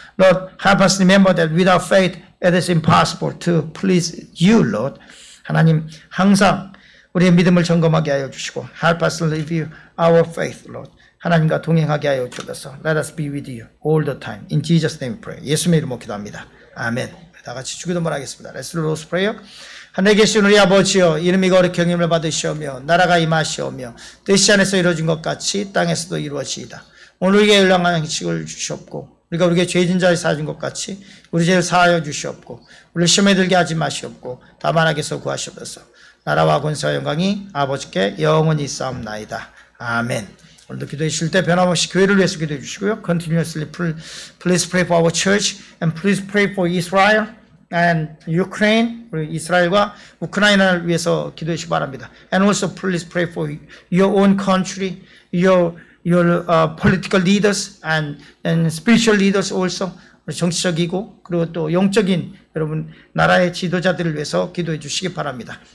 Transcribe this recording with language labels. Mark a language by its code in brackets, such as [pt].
[en] Lord, help us remember that without faith, it is impossible to please you, Lord. [ko] 하나님, 항상 우리의 믿음을 점검하게 하여 주시고, [en] help us live our faith, Lord. [ko] 하나님과 동행하게 하여 주옵소서. [en] Let us be with you all the time. In Jesus' name we pray. [ko] 예수의 이름으로 기도합니다. 아멘. 다 같이 주기도 말하겠습니다. [en] Let's do the Lord's Prayer. [ko] 하늘에 계신 우리 아버지여, 이름이 거룩히 영임을 받으시오며 나라가 임하시오며 뜻이 하늘에서 이루어진 것 같이 땅에서도 이루어지이다. 오늘 우리에게 열량한 양식을 주시옵고 우리가 우리에게 죄진 자를 사준 것 같이 우리 죄를 사하여 주시옵고 우리를 시험에 들게 하지 마시옵고 다만 악에서 구하시옵소서. 나라와 권세와 영광이 아버지께 영원히 있사옵나이다. 아멘. 오늘도 기도하실 때 변함없이 교회를 위해서 기도해 주시고요. [en] Continuously please pray for our church and please pray for Israel and Ukraine. [ko] 우리 이스라엘과 우크라이나를 위해서 기도해 주시기 바랍니다. [en] And also please pray for your own country, your political leaders and spiritual leaders also. [ko] 정치적이고 그리고 또 영적인 여러분 나라의 지도자들을 위해서 기도해 주시기 바랍니다.